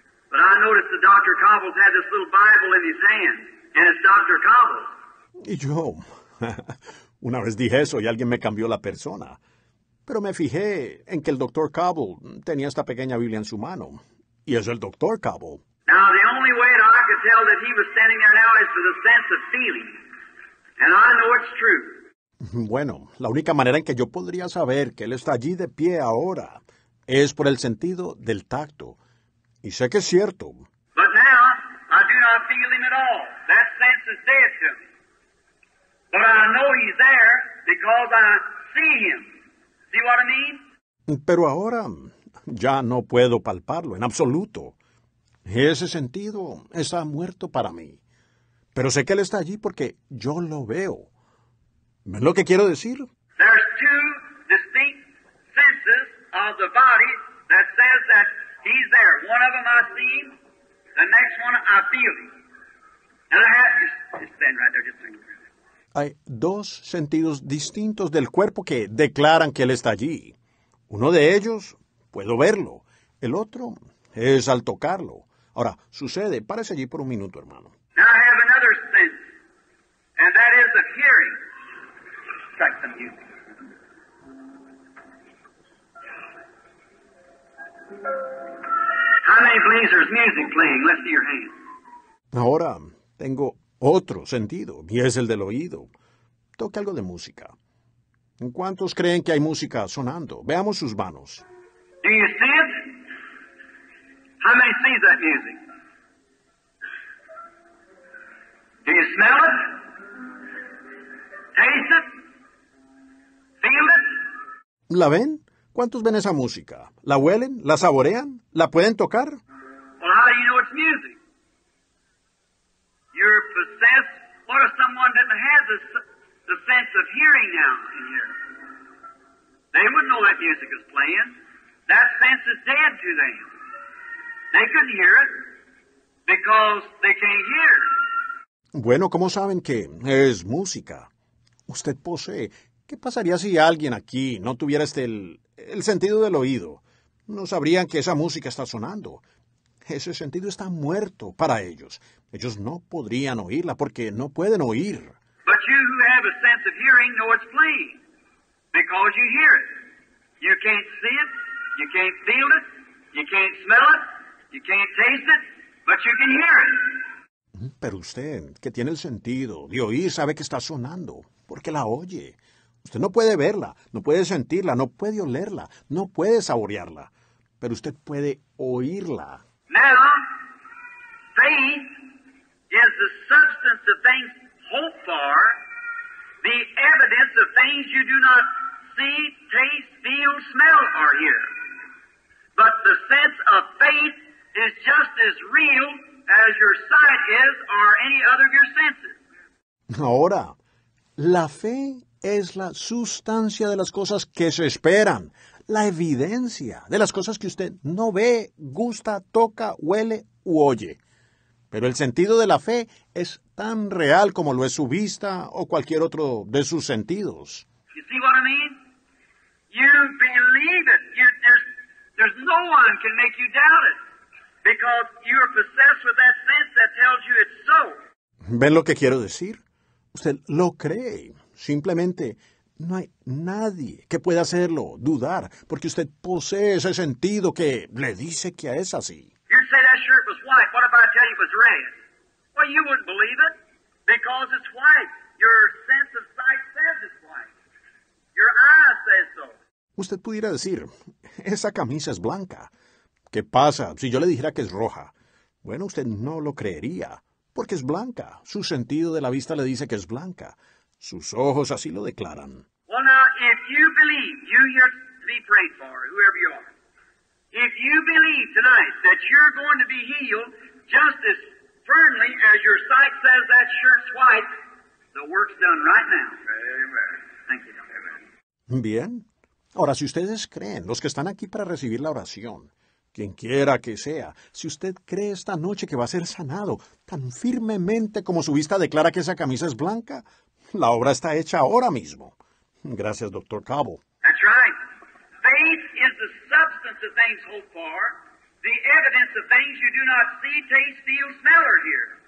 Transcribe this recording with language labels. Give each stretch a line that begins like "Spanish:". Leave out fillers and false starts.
English: But I noticed that Dr. Cobble's had this little Bible in his hand, and it's Dr. Cobble.
Spanish: Y yo, una vez dije eso, y alguien me cambió la persona. Pero me fijé en que el Dr. Cobble tenía esta pequeña Biblia en su mano. Y es el Dr. Cobble.
English: Now, the only way that I could tell that he was standing there now is with a sense of feeling. And I know it's true.
Spanish: Bueno, la única manera en que yo podría saber que él está allí de pie ahora es por el sentido del tacto. Y sé que es cierto.
English: But now, I do not feel him at all. That sense is dead to me. But I know he's there because I see him. See what I mean?
Spanish: Pero ahora ya no puedo palparlo en absoluto. Ese sentido está muerto para mí. Pero sé que él está allí porque yo lo veo. ¿Ves lo que quiero decir?
English: There's two distinct senses of the body that says that he's there. One of them I see him, the next one I feel him. And I have just stand right there, just thinking.
Spanish: Hay dos sentidos distintos del cuerpo que declaran que él está allí. Uno de ellos, puedo verlo. El otro, es al tocarlo. Ahora, sucede. Párese allí por un minuto, hermano.
English: Now I have another sense, and that is of hearing. Check the music. How many believe there's music playing? Let's see your hand.
Spanish: Ahora, tengo otro sentido, y es el del oído. Toque algo de música. ¿Cuántos creen que hay música sonando? Veamos sus manos.
English: Do you see it? How many see that music? Do you smell it? Taste it? Feel it?
Spanish: ¿La ven? ¿Cuántos ven esa música? ¿La huelen? ¿La saborean? ¿La pueden tocar?
English: Well, how do you know it's music? You're possessed. What if someone didn't have the sense of hearing now in here? They wouldn't know that music is playing. That sense is dead to them. They couldn't hear it because they can't hear.
Spanish: Bueno, ¿cómo saben que es música? Usted posee. ¿Qué pasaría si alguien aquí no tuviera el sentido del oído? No sabrían que esa música está sonando. Ese sentido está muerto para ellos. Ellos no podrían oírla porque no pueden oír.
English: But you who have a sense of hearing know it's playing because you hear it. You can't see it, you can't feel it, you can't smell it, you can't taste it, but you can hear it.
Spanish: Pero usted, que tiene el sentido de oír, sabe que está sonando porque la oye. Usted no puede verla, no puede sentirla, no puede olerla, no puede saborearla. pero usted puede oírla.
English: Now, faith is the substance of things hoped for, the evidence of things you do not see, taste, feel, smell, or hear. But the sense of faith is just as real as your sight is or any other of your senses.
Spanish: Ahora, la fe es la sustancia de las cosas que se esperan, la evidencia de las cosas que usted no ve, gusta, toca, huele u oye. Pero el sentido de la fe es tan real como lo es su vista o cualquier otro de sus sentidos.
English: You see what I mean? You believe it. There's no one can make you doubt it because you're possessed with that sense that tells you it's so.
Spanish: ¿Ven lo que quiero decir? Usted lo cree. Simplemente, no hay nadie que pueda hacerlo dudar, porque usted posee ese sentido que le dice que es así.
English: You say that shirt was white. What if I tell you it was red? Well, you wouldn't believe it, because it's white. Your sense of sight says it's white. Your eye says so.
Spanish: Usted pudiera decir, esa camisa es blanca. ¿Qué pasa si yo le dijera que es roja? Bueno, usted no lo creería, porque es blanca. Su sentido de la vista le dice que es blanca. Sus ojos así lo declaran.
English: Well, now, if you believe, you here to be prayed for, whoever you are, if you believe tonight that you're going to be healed just as firmly as your sight says that shirt's white, the work's done right now. Amen. Thank you. Amen.
Spanish: Bien. Ahora, si ustedes creen, los que están aquí para recibir la oración, quienquiera que sea, si usted cree esta noche que va a ser sanado tan firmemente como su vista declara que esa camisa es blanca, la obra está hecha ahora mismo. Gracias, Dr. Cabo.
English: That's right. Faith is the substance of things hoped for, the evidence of things you do not see, taste, feel, smell, or hear.